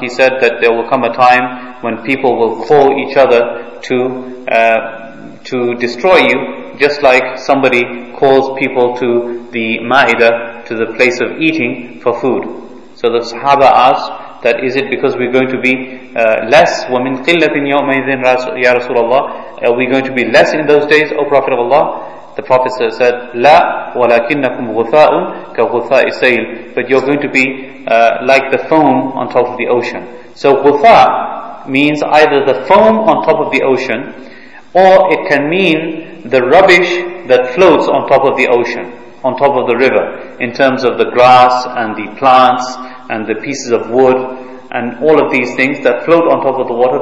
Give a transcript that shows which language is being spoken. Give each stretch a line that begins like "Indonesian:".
English: He said that there will come a time when people will call each other to destroy you, just like somebody calls people to the ma'idah, to the place of eating, for food. So the Sahaba asked that, is it because we're going to be less?
Arabic: وَمِنْ قِلَّةٍ يَوْمَئِذٍ يَا رَسُولَ اللَّهِ.
English: Are we going to be less in those days, O Prophet of Allah? The Prophet said,
Arabic: لَا وَلَكِنَّكُمْ غُثَاءٌ كَغُثَاءِ السَّيْلِ.
English: But you're going to be like the foam on top of the ocean. So غُثَاء means either the foam on top of the ocean, or it can mean the rubbish that floats on top of the ocean, on top of the river, in terms of the grass and the plants and the pieces of wood and all of these things that float on top of the water.